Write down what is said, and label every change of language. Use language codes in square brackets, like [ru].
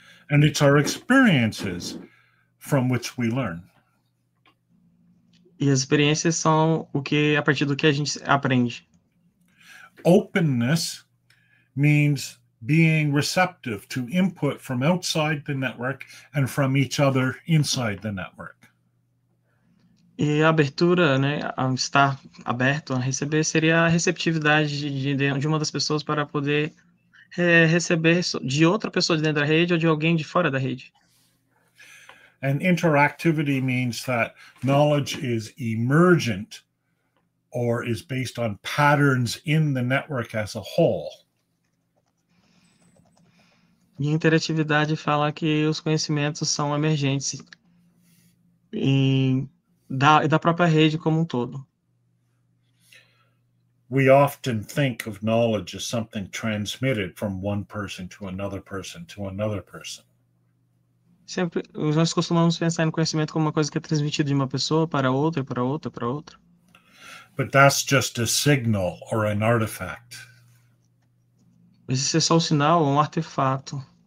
[en] And it's our experiences from which we learn. [pt] E as experiências são o que, a partir do que a gente aprende. [en] Openness means being receptive to input from outside the network and from each other inside the network. [pt] E a abertura, né, a estar aberto a receber, seria a receptividade de uma das pessoas para poder receber de outra pessoa de dentro da rede ou de alguém de fora da rede. [en] And interactivity means that knowledge is emergent or is based on patterns in the network as a whole. [pt] E interatividade fala que os conhecimentos são emergentes da própria rede como um todo. [en] We often think of knowledge as something transmitted from one person to another person to another person. [pt] Sempre, nós costumamos pensar no conhecimento como uma coisa que é transmitida de uma pessoa para outra, para outra, para outra. [en] But that's just a signal or an artifact. [pt] Mas isso é só um sinal ou um artefato.